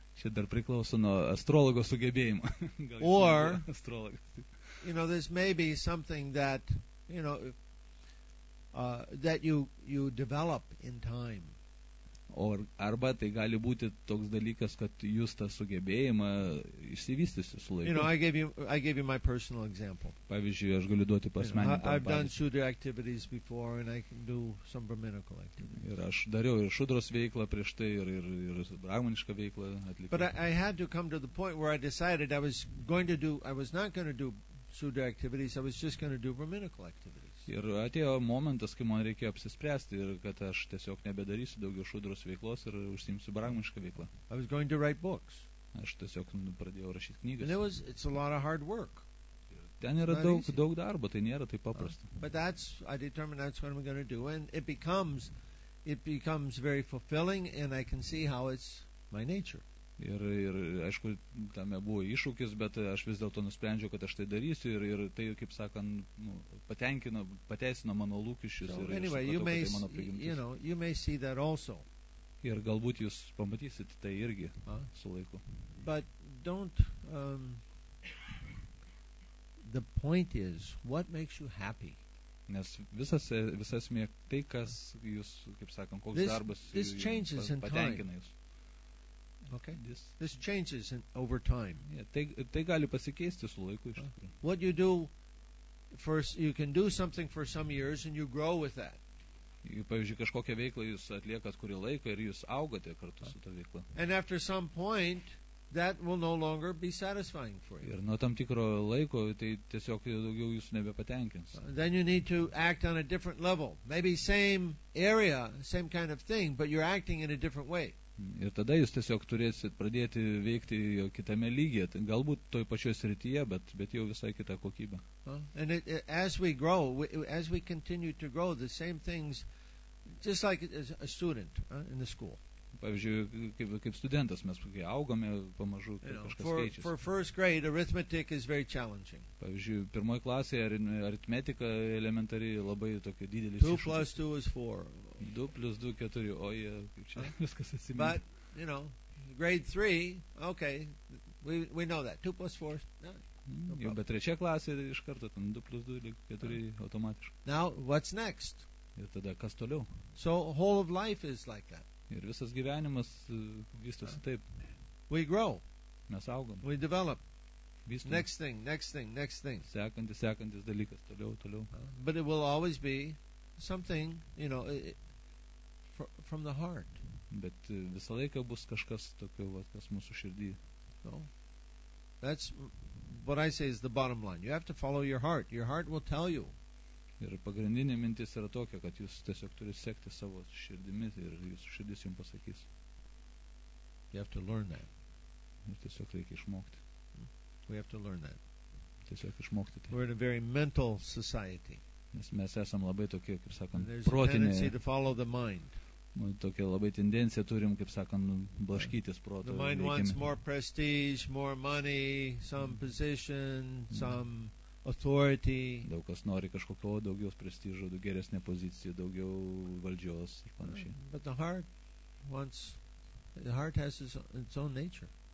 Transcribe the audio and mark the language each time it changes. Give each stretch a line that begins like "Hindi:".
Lithuanian: Čia dar priklauso nuo astrologo sugebėjimo. Or astrologo.
English: You know, this may be something that, you know, that you develop in time.
Lithuanian: Arba tai gali būti toks dalykas, kad jūs tą sugebėjimą išsivystysite su laiku.
English: You know, I gave you my personal example.
Lithuanian: Pavyzdžiui, aš galiu duoti pasmenį.
English: I've done shudra activities before and I can do some brahminical activities.
Lithuanian: Ir aš dariau ir šudros veiklą prieš tai ir brahminišką veiklą atlikau.
English: But I had to come to the point where I decided I was not going to do Sudra activities, I was just going to do brahminical activities.
Lithuanian: Ir atėjo momentas, kai man reikėjo apsispręsti ir kad aš tiesiog nebedarysiu daugiau šudros veiklos ir užsiimsiu brahmanišką veiklą.
English: I was going to write books.
Lithuanian: Aš tiesiog pradėjau rašyti knygas.
English: And it was, it's a lot of hard work.
Lithuanian: Ten yra daug, daug darbo, tai nėra taip paprasta.
English: But that's, I determined that's what I'm going to do. And it becomes very fulfilling and I can see how it's my nature.
Lithuanian: Ir, ir aišku, tame buvo iššūkis, bet aš vis dėlto nusprendžiau, kad aš tai darysiu ir, ir tai, kaip sakant, nu, patenkino, pateisino mano lūkesčius.
English: So,
Lithuanian: ir
English: anyway,
Lithuanian: supratau,
English: you may,
Lithuanian: tai mano prigimtis.
English: You know, you may see that also.
Lithuanian: Ir galbūt jūs pamatysit tai irgi su laiku.
English: But don't, the point is, what makes you happy?
Lithuanian: Nes visas, visas mėg tai, kas jūs, kaip sakant, koks
English: this,
Lithuanian: darbas
English: this changes
Lithuanian: patenkina jūs.
English: Okay. This changes in, over time.
Lithuanian: Yeah, tai gali pasikeisti su laiku.
English: What you do first, you can do something for some years and you grow with that.
Lithuanian: Pavyzdžiui, kažkokią veiklą jūs atliekat kurį laiką ir jūs augate kartu su ta veikla.
English: And after some point, that will no longer be satisfying for you.
Lithuanian: Ir nuo tam tikro laiko tai tiesiog daugiau jūs nebepatenkins.
English: Then you need to act on a different level. Maybe same area, same kind of thing, but you're acting in a different way.
Lithuanian: Ir tada jūs tiesiog turėsit pradėti veikti jo kitame lygyje, galbūt toj pačioje srityje, bet, bet jau visai kita kokybė.
English: And it, as we grow, as we continue to grow, the same things, just like a student in the school.
Lithuanian: Pavyzdžiui, kaip, kaip studentas, mes augame pamažu, kaip kažkas
English: for,
Lithuanian: keičiasi.
English: For first grade, arithmetic is very challenging.
Lithuanian: Pavyzdžiui, pirmoji klasė, aritmetika elementari labai tokia didelis.
English: 2 plus 2 is 4.
Lithuanian: 2 plus 2, 4. Oje, yeah, kaip čia viskas atsimint.
English: But, you know, grade 3, okay, we know that. 2 plus 4, no.
Lithuanian: Jau, bet trečia klasė iš karto, 2 plus 2, 4, automatiškai.
English: Now, what's next?
Lithuanian: Ir tada, kas toliau?
English: So, whole of life is like that.
Lithuanian: Ir visas gyvenimas vystosi taip.
English: We grow.
Lithuanian: Mes augam.
English: We develop.
Lithuanian: Vystum.
English: Next thing, next thing, next thing.
Lithuanian: Sekantis, sekantis dalykas, toliau, toliau.
English: But it will always be something, you know, from the heart.
Lithuanian: Bet visą laiką bus kažkas tokio, vat, kas mūsų širdy.
English: So, that's what I say is the bottom line. You have to follow your heart. Your heart will tell you.
Lithuanian: Ir pagrindinė mintis yra tokia, kad jūs tiesiog turite sekti savo širdimi ir jūsų širdis jums pasakys.
English: You have to learn that.
Lithuanian: Ir tiesiog reikia išmokti.
English: We have to learn that.
Lithuanian: Tiesiog išmokti tai.
English: We're in a very mental society.
Lithuanian: Nes mes esam labai tokie, kaip sakant,
English: protinė. There's a tendency to follow the mind.
Lithuanian: Nu, tokia labai tendencija turim, kaip sakant, blaškytis proto.
English: The mind wants more prestige, more money, some position, some authority.
Lithuanian: Daug kas nori kažkokio daugiau prestižo, daug geresnė pozicija, daugiau valdžios ir panašiai.
English: But the heart wants, the heart has its own nature.